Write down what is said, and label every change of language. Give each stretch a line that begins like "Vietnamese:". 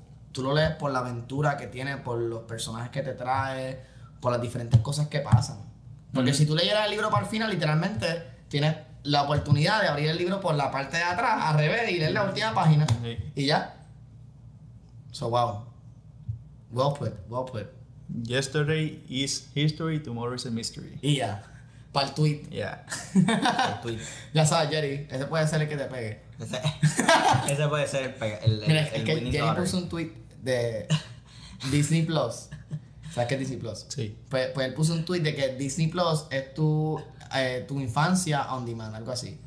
Spanish: Tú lo lees por la aventura que tiene, por los personajes que te trae, por las diferentes cosas que pasan. Porque si tú leyeras el libro para el final, literalmente tienes la oportunidad de abrir el libro por la parte de atrás, al revés, y leer la última página. Sí. Y ya.
English: So, wow. Well put. Yesterday is history, tomorrow is a mystery.
Spanish: Y ya, para el tweet. Ya sabes, Jerry, ese puede ser el que te pegue. Ese puede ser el pegue. Mira, es que Jerry puso un tweet de Disney Plus. ¿Sabes qué es Disney Plus? Sí. Pues él puso un tweet de que Disney Plus es tu infancia
English: on demand,
Spanish: algo así.